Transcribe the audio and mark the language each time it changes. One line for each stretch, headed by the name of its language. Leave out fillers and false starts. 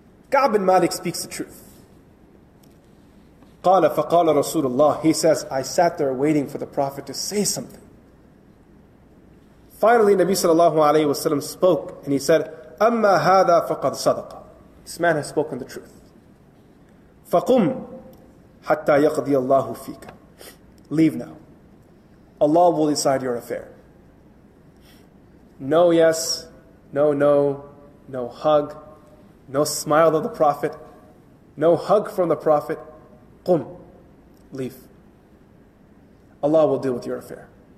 English: Ka'b ibn Malik speaks the truth.
Arabic: قَالَ فَقَالَ رَسُولُ اللَّهِ
English: He says, I sat there waiting for the Prophet to say something. Finally, Nabi sallallahu alayhi wa sallam spoke, and he said,
Arabic: أَمَّا هَذَا فَقَدْ صَدَقَ
English: This man has spoken the truth.
Arabic: فَقُمْ حَتَّى يَقْضِيَ اللَّهُ فِيكَ
English: Leave now. Allah will decide your affair. No yes, no no, no hug, no smile of the Prophet, no hug from the Prophet, قُمْ Leave. Allah will deal with your affair.